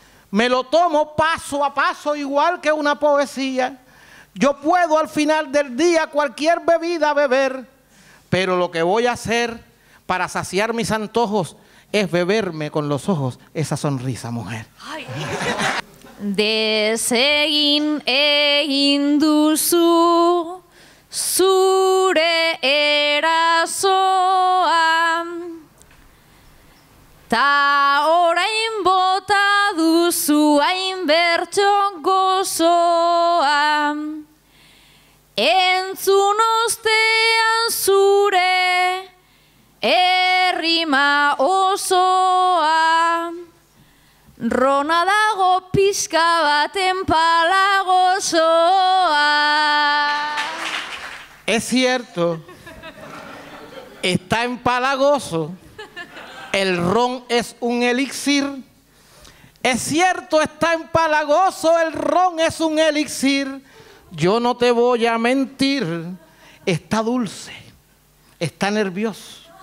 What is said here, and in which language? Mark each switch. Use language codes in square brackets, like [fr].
[es] Me lo tomo paso a paso igual que una poesía. Yo puedo al final del día cualquier bebida beber, pero lo que voy a hacer para saciar mis antojos es beberme con los ojos esa sonrisa, mujer. Ay. [eu] Desegin egin duzu zure erasoa, ta orain bota duzu hain bertso gozoa. Entzun ostean zure errima osoa, rona dago pizka baten pala gozoa. [es] Es cierto, está empalagoso, el ron es un elixir. Es cierto, está empalagoso, el ron es un elixir. Yo no te voy a mentir, está dulce, está nervioso.